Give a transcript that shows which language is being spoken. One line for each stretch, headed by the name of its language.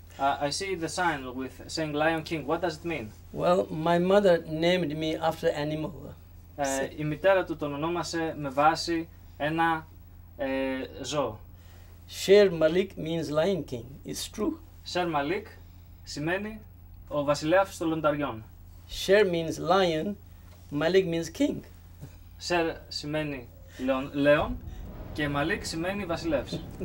English: I see the sign with saying Lion King. What does it mean? Well, my mother named me after animal.
Greek: Η μητέρα του τον ονόμασε με βάση ένα ζώο.
English: Sher Malik means Lion King. It's true.
Greek: Sher Malik σημαίνει ο βασιλέας των λονταριών.
English: Sher means lion, Malik means king.
Greek: Sher σημαίνει λέον και Malik σημαίνει βασιλεύς.